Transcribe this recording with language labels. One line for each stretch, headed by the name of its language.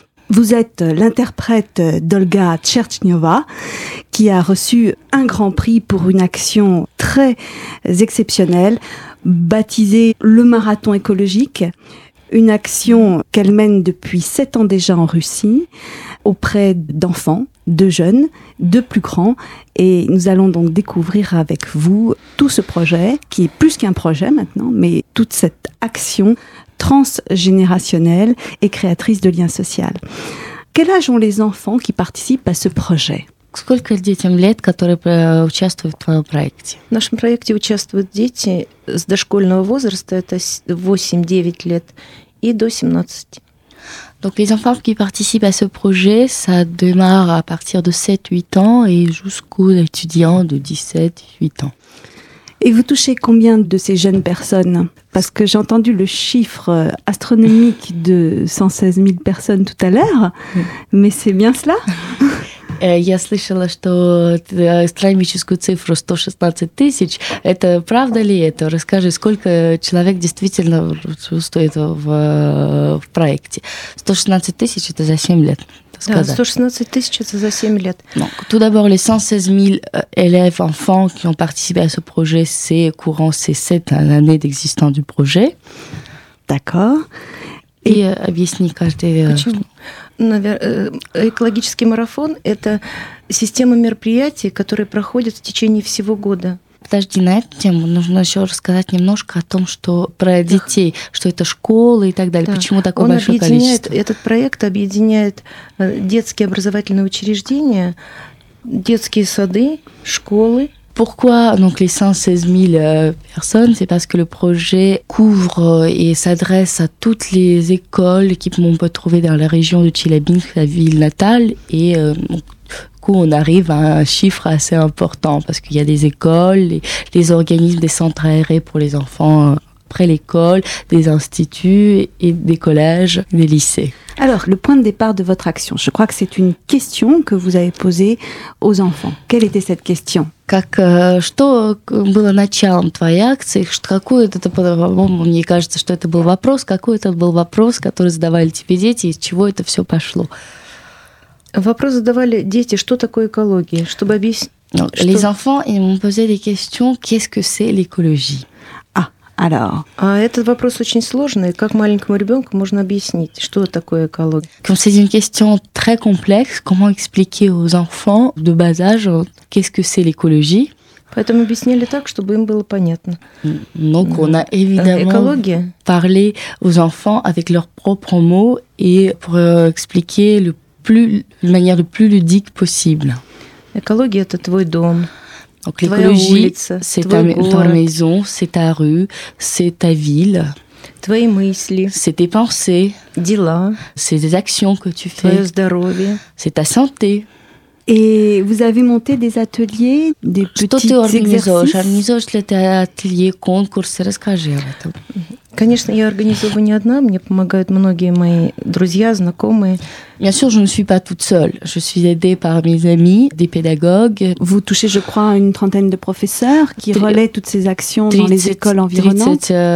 French: Vous êtes l'interprète d'Olga Tcherchnyova, qui a reçu un grand prix pour une action très exceptionnelle, baptisée le marathon écologique, une action qu'elle mène depuis 7 ans déjà en Russie, auprès d'enfants, de jeunes, de plus grands. Et nous allons donc découvrir avec vous tout ce projet, qui est plus qu'un projet maintenant, mais toute cette action transgénérationnelle et créatrice de liens sociaux. Quel âge ont les enfants qui participent à ce projet?
Russian: Сколько детям лет, которые участвуют в твоем проекте? В нашем проекте участвуют дети с дошкольного возраста, это 8-9 лет, и до 17.
French: Donc les enfants qui participent à ce projet, ça démarre à partir de 7-8 ans et jusqu'aux étudiants de 17-18 ans. Et vous touchez combien de ces jeunes personnes? Parce que j'ai entendu le chiffre astronomique de 116 000 personnes tout à l'heure, mais c'est bien cela?
Russian: Я слышала, что астрономическую цифру 116 тысяч. Это правда ли это? Расскажи, сколько человек действительно участвует в проекте? 116 тысяч – это за 7 лет. Да, 116 тысяч – это за 7 лет.
French: Donc, tout d'abord, les 116 000 élèves, enfants qui ont participé à ce projet, c'est courant ces 7 années d'existence du projet. D'accord.
Russian: И объясни каждый... Экологический марафон – это система мероприятий, которые проходят в течение всего года. Подожди, на эту тему нужно еще рассказать немножко о том, что про детей, что это школы и так далее. Да. Почему такое большое количество? Этот проект объединяет детские образовательные учреждения, детские сады, школы,
French: Pourquoi donc les 116 000 personnes? C'est parce que le projet couvre et s'adresse à toutes les écoles qui vont être trouvées dans la région de Chelyabinsk, la ville natale, et on arrive à un chiffre assez important parce qu'il y a des écoles, les organismes, des centres aérés pour les enfants après l'école, des instituts et des collèges, des lycées. Alors, le point de départ de votre action, je crois que c'est une question que vous avez posée aux enfants. Quelle était cette question?
Russian: Как что было началом твоей акции? Какой это, по-моему, мне кажется, что это был вопрос, какой это был вопрос, который задавали тебе дети, из чего это все пошло? Вопрос задавали дети, что такое экология, чтобы объяснить. Что...
French: Les enfants, ils m'ont posé des questions, qu'est-ce que c'est l'écologie? Alors,
Russian: Этот вопрос очень сложный. Как маленькому ребенку можно объяснить, что такое экология?
French: Comme c'est une question très complexe, comment expliquer aux enfants de bas âge qu'est-ce que c'est l'écologie?
Russian: Поэтому объяснили так, чтобы им было понятно.
French: Donc, on a évidemment
Russian: Экология?
French: Parlé aux enfants avec leurs propres mots et pour expliquer le plus, de manière le plus ludique possible.
Russian: Экология – это твой дом.
French: Donc l'écologie, c'est ta maison, c'est ta rue, c'est ta ville.
Russian: Твои мысли.
French: C'est tes pensées.
Russian: Дела.
French: C'est des actions que tu fais.
Russian: Твое здоровье.
French: C'est ta santé. Et vous avez monté des ateliers, des petits exercices. J'organise des ateliers, concours,
Russian: расскажи. Конечно, я организовываю не одна, мне помогают многие мои друзья, знакомые.
French: Bien sûr, je ne suis pas toute seule. Je suis aidée par mes amis, des pédagogues. Vous touchez, je crois, une trentaine de professeurs qui relaient toutes ces actions dans les écoles environnantes.